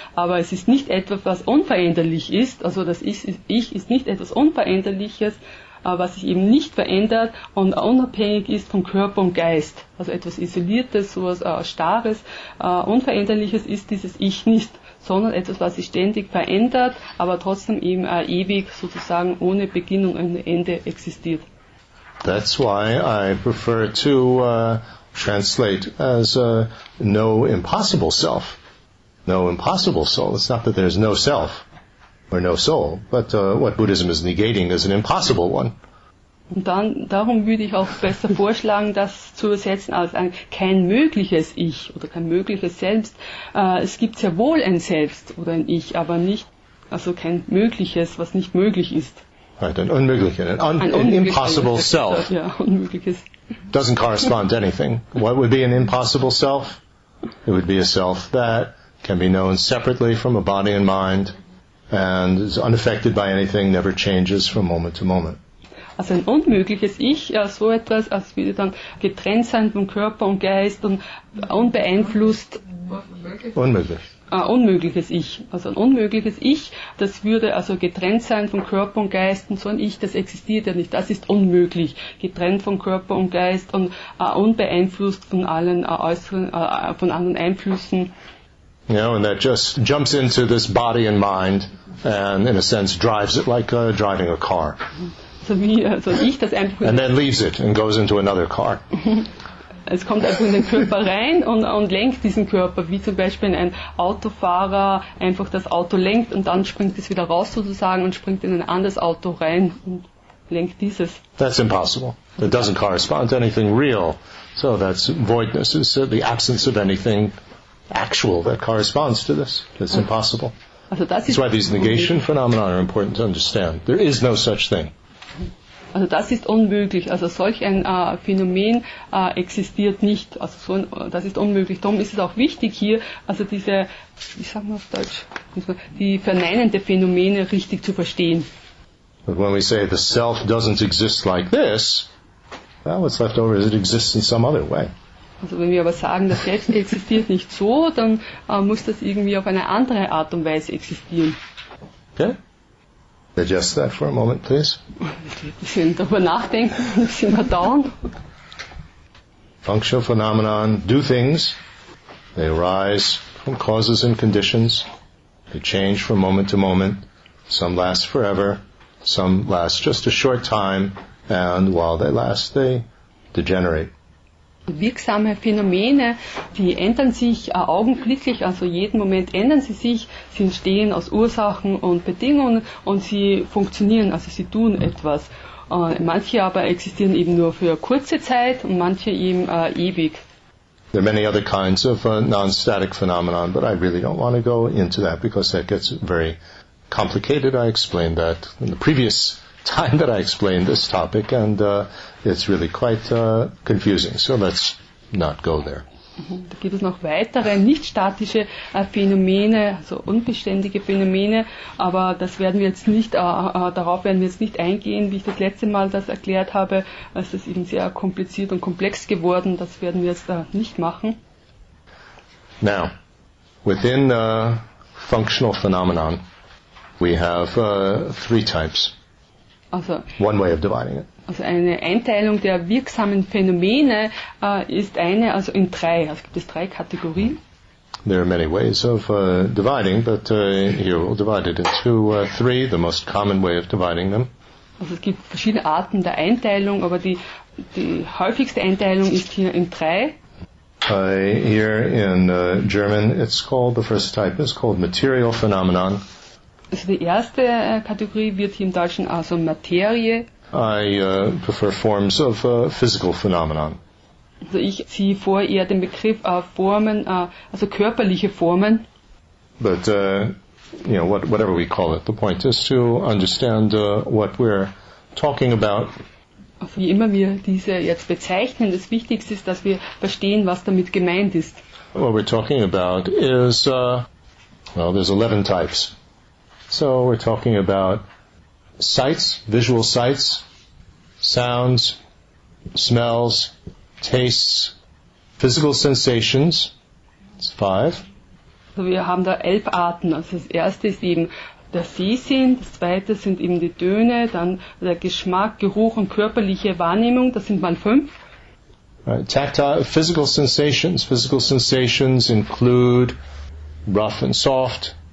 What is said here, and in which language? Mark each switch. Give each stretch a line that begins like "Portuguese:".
German: Aber es ist nicht etwas, was unveränderlich ist. Also das Ich ist nicht etwas Unveränderliches, was sich eben nicht verändert und unabhängig ist von Körper und Geist. Also etwas Isoliertes, sowas Starres, Unveränderliches ist dieses Ich nicht. Sondern etwas, was sich ständig verändert, aber trotzdem eben ewig sozusagen ohne Beginn und ohne Ende existiert.
English: That's why I prefer to translate as no impossible self. No impossible soul. It's not that there's no self or no soul, but what Buddhism is negating is an impossible one.
German: Und dann, darum würde ich auch besser vorschlagen, das zu ersetzen als ein kein mögliches Ich oder kein mögliches Selbst. Es gibt sehr wohl ein Selbst oder ein Ich, aber nicht, also kein mögliches, was nicht möglich ist.
English: Right,
German: ein unmögliches, ein
English: impossible Self.
German: Ja, unmögliches.
English: Doesn't correspond to anything. What would be an impossible Self? It would be a Self that can be known separately from a body and mind and is unaffected by anything, never changes from moment to moment.
German: Also ein unmögliches Ich, ja, so etwas, als würde dann getrennt sein vom Körper und Geist und unbeeinflusst. Unmöglich. Unmögliches Ich. Also ein unmögliches Ich, das würde also getrennt sein vom Körper und Geist und so ein Ich, das existiert ja nicht. Das ist unmöglich. Getrennt vom Körper und Geist und unbeeinflusst von allen äußeren, von anderen Einflüssen.
English: Yeah, you know, and that just jumps into this body and mind and in a sense drives it like driving a car. And then leaves it and goes into another car.
German: Es kommt einfach in den Körper rein und lenkt diesen Körper, wie zum Beispiel ein Autofahrer einfach das Auto lenkt und dann springt es wieder raus sozusagen und springt in ein anderes Auto rein und lenkt dieses.
English: That's impossible. It doesn't correspond to anything real. So that's voidness. It's the absence of anything actual that corresponds to this. It's impossible.
German: Also das ist,
English: that's why these negation phenomena are important to understand. There is no such thing.
German: Also das ist unmöglich. Also solch ein Phänomen existiert nicht. Also so ein, das ist unmöglich. Darum ist es auch wichtig hier, also diese, wie sagen wir auf Deutsch, die verneinende Phänomene richtig zu verstehen.
English: But when we say the self doesn't exist like this, well, what's left over is it exists in some other way.
German: Also wenn wir aber sagen, das Selbst existiert nicht so, dann muss das irgendwie auf eine andere Art und Weise existieren.
English: Okay. Adjust that for a moment, please.
German: Bisschen darüber nachdenken, bisschen verdauen.
English: Functional phenomena do things. They arise from causes and conditions. They change from moment to moment. Some last forever. Some last just a short time. And while they last, they degenerate.
German: Wirksame Phänomene, die ändern sich augenblicklich, also jeden Moment ändern sie sich, sie entstehen aus Ursachen und Bedingungen und sie funktionieren, also sie tun etwas. Manche aber existieren eben nur für kurze Zeit und manche eben ewig.
English: There are many other kinds of non-static phenomena, but I really don't want to go into that because that gets very complicated. I explained that in the previous time that I explained this topic, and it's really quite confusing. So let's not go there.
German: Da gibt es noch weitere nicht statische Phänomene, also unbeständige Phänomene, aber das werden wir jetzt nicht, darauf werden wir jetzt nicht eingehen, wie ich das letzte Mal das erklärt habe. Es ist eben sehr kompliziert und komplex geworden. Das werden wir jetzt nicht machen.
English: Now, within functional phenomenon, we have three types.
German: Also,
English: one way of dividing it.
German: Also eine Einteilung der wirksamen Phänomene ist eine, also in drei. Also gibt es drei Kategorien.
English: There are many ways of dividing, but here we'll divide it into three, the most common way of dividing them.
German: Also es gibt verschiedene Arten der Einteilung, aber die häufigste Einteilung ist hier in drei.
English: Here in German, it's called, the first type is called material phenomenon.
German: Also die erste Kategorie wird hier im Deutschen also Materie.
English: I prefer forms of physical phenomenon.
German: Also ich ziehe vor eher den Begriff Formen, also körperliche Formen.
English: But you know, whatever we call it, the point is to understand what we're talking about.
German: Also wie immer wir diese jetzt bezeichnen, das Wichtigste ist, dass wir verstehen, was damit gemeint ist.
English: What we're talking about is well, there's 11 types. So we're talking about sights, visual sights, sounds, smells, tastes, physical sensations. It's five.
German: So wir haben da 11 Arten. Also das erste ist eben der Sehsinn, das zweite sind eben die Töne, dann der Geschmack, Geruch und körperliche Wahrnehmung. Das sind mal 5.
English: Right. Tactile, physical sensations. Physical sensations include rough and soft.